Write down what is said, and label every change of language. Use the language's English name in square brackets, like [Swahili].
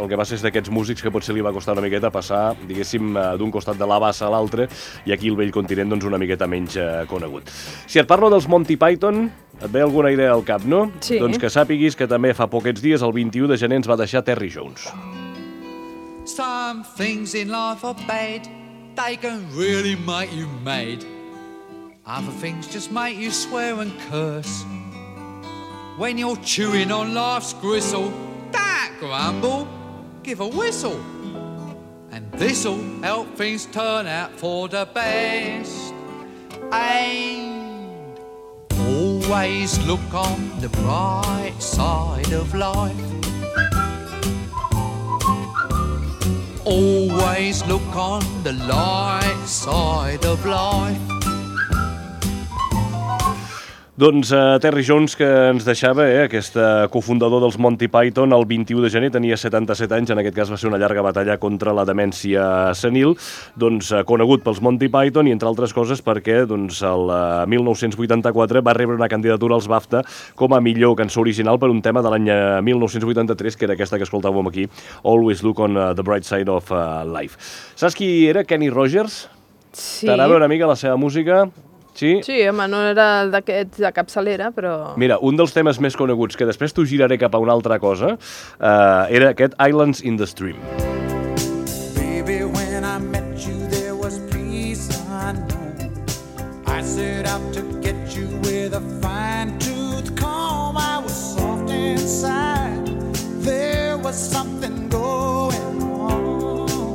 [Catalan] El que va ser d'aquests músics que potser li va costar una miqueta passar, diguéssim, d'un costat de la bassa a l'altre, i aquí el vell continent, doncs, una miqueta menys conegut. Si et parlo dels Monty Python, et ve alguna idea al cap, no? Sí. Doncs que sàpiguis que també fa poquets dies, el 21 de gener, ens va deixar Terry Jones. [English] Some things in life are bad, they can really make you mad. Other things just make you swear and curse. When you're chewing on life's gristle, grumble, give a whistle, and this'll help things turn out for the best. And always look on the bright side of life. Always look on the light side of life. [Catalan] Doncs Terry Jones, que ens deixava, aquest cofundador dels Monty Python, el 21 de gener, tenia 77 anys, en aquest cas va ser una llarga batalla contra la demència senil, doncs conegut pels Monty Python i, entre altres coses, perquè doncs, el 1984 va rebre una candidatura als BAFTA com a millor cançó original per un tema de l'any 1983, que era aquesta que escoltàvem aquí, Always Look on the Bright Side of Life. Saps qui era? Kenny Rogers? Sí. T'anava una mica la seva música? Sí? Sí, home, no era d'aquest de capçalera, però... Mira, un dels temes més coneguts, que després t'ho giraré cap a una altra cosa, era aquest Islands in the Stream. [English] Baby, when I met you, there was peace unknown. I set out to get you with a fine-tooth comb. I was soft inside, there was something going on.